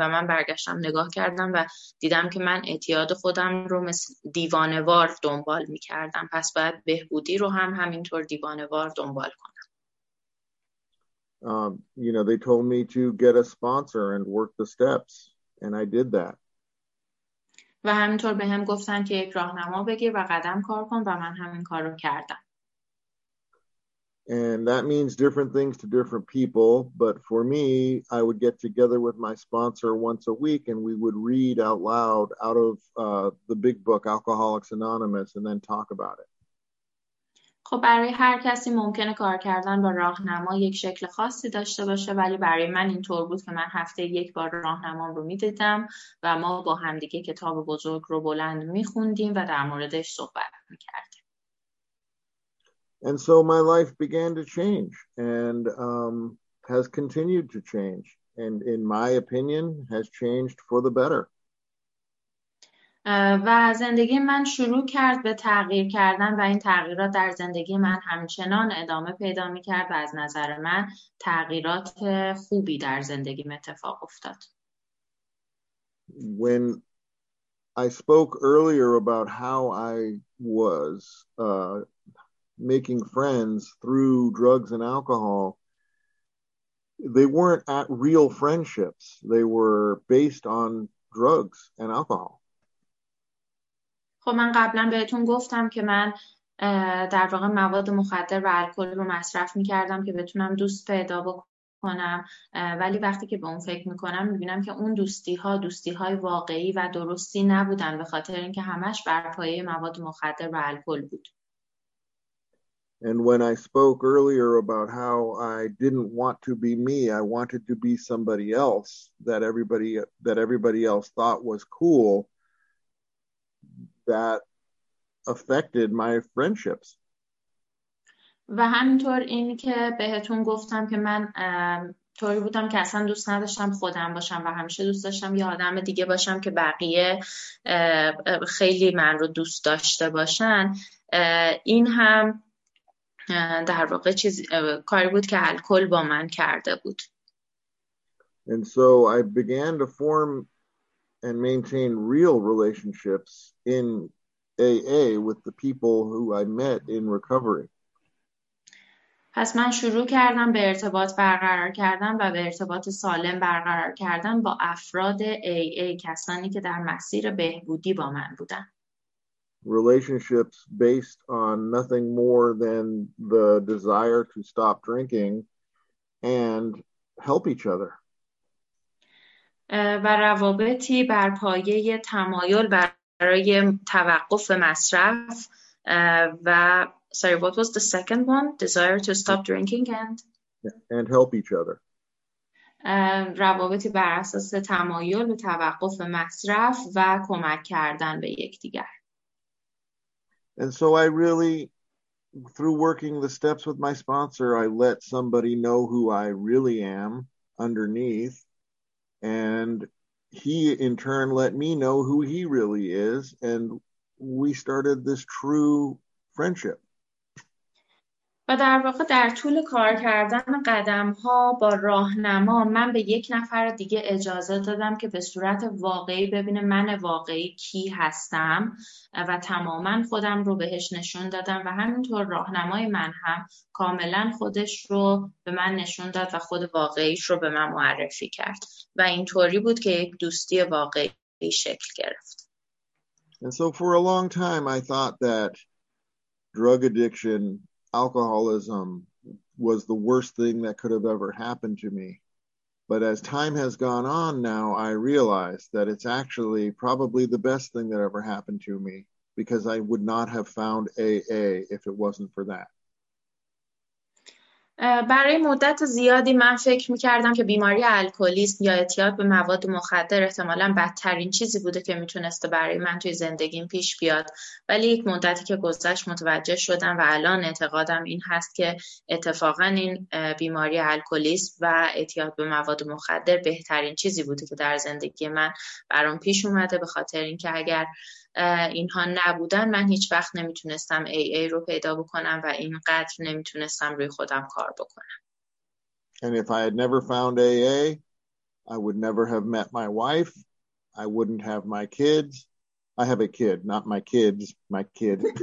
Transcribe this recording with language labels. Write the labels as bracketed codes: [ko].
[fa] و من برگشتم نگاه کردم و دیدم که من اعتیاد خودم رو مثل دیوانوار دنبال میکردم، پس باید بهبودی رو هم همینطور دیوانوار دنبال کنم. [en] You know, they told me to get a sponsor and work the steps, and I did that. [fa] و همینطور به هم گفتن که یک راهنما بگیر و قدم کار کن و من همین کار رو کردم. [en] And that means different things to different people, but for me, I would get together with my sponsor once a week and we would read out loud out of the big book, Alcoholics Anonymous, and then talk about it. [fa] خب برای هر کسی ممکنه کار کردن با راهنما یک شکل خاصی داشته باشه، ولی برای من این طور بود که من هفته یک بار راهنما رو میدیدم و ما با همدیگه کتاب بزرگ رو بلند میخوندیم و در موردش صحبت میکردیم. [en] And so my life began to change and has continued to change and in my opinion has changed for the better. [fa] و زندگی من شروع کرد به تغییر کردن و این تغییرات در زندگی من همچنان ادامه پیدا می کرد و از نظر من تغییرات خوبی در زندگیم اتفاق افتاد. [en] When I spoke earlier about how I was making friends through drugs and alcohol, they weren't at real friendships. They were based on drugs and alcohol. [fa] خب من قبلا بهتون گفتم که من در واقع مواد مخدر و الکل رو مصرف میکردم که بتونم دوست پیدا بکنم، ولی وقتی که به اون فکر میکنم میبینم که اون دوستی های واقعی و درستی نبودن، به خاطر اینکه همش بر پایه مواد مخدر و الکل بود. [en] And when I spoke earlier about how I didn't want to be me, I wanted to be somebody else that everybody else thought was cool, that affected my friendships. [fa] و همینطور این که بهتون گفتم که من طوری بودم که اصلا دوست نداشتم خودم باشم و همیشه دوست داشتم یه آدم دیگه باشم که بقیه خیلی من رو دوست داشته باشن، این هم در واقع چیز کاری بود که الکل با من کرده بود. [en] And so I began to form and maintain real relationships in AA with the people who I met in recovery. [fa] پس من شروع کردم به ارتباط برقرار کردن و به ارتباط سالم برقرار کردن با افراد AA، کسانی که در مسیر بهبودی با من بودن. [en] Relationships based on nothing more than the desire to stop drinking and help each other. [fa] و روابطی بر پایه تمایل برای توقف مصرف و [en] sorry, what was the second one? Desire to stop drinking and help each other. [fa] روابطی بر اساس تمایل به توقف مصرف و کمک کردن به یکدیگر. [en] And so I really, through working the steps with my sponsor, I let somebody know who I really am underneath. And he in turn let me know who he really is. And we started this true friendship. [fa] و در واقع در طول کار کردن قدم ها با راهنما، من به یک نفر دیگه اجازه دادم که به صورت واقعی ببینه من واقعی کی هستم و تماما خودم رو بهش نشون دادم و همینطور راهنمای من هم کاملا خودش رو به من نشون داد و خود واقعیش رو به من معرفی کرد و اینطوری بود که یک دوستی واقعی شکل گرفت. [en] And so for a long time I thought that drug addiction, alcoholism was the worst thing that could have ever happened to me. But as time has gone on now, I realize that it's actually probably the best thing that ever happened to me because I would not have found AA if it wasn't for that. [fa] برای مدت زیادی من فکر میکردم که بیماری الکلیسم یا اعتیاد به مواد مخدر احتمالاً بدترین چیزی بوده که میتونسته برای من توی زندگیم پیش بیاد، ولی یک مدتی که گذشت متوجه شدم و الان اعتقادم این هست که اتفاقاً این بیماری الکلیسم و اعتیاد به مواد مخدر بهترین چیزی بوده که در زندگی من برام پیش اومده، به خاطر اینکه اگر اینها نبودن من هیچ وقت نمیتونستم AA رو پیدا بکنم و اینقدر نمیتونستم روی خودم کار بکنم. [en] And if I had never found AA, I would never have met my wife. I wouldn't have my kids. I have a kid, not my kids, my kid.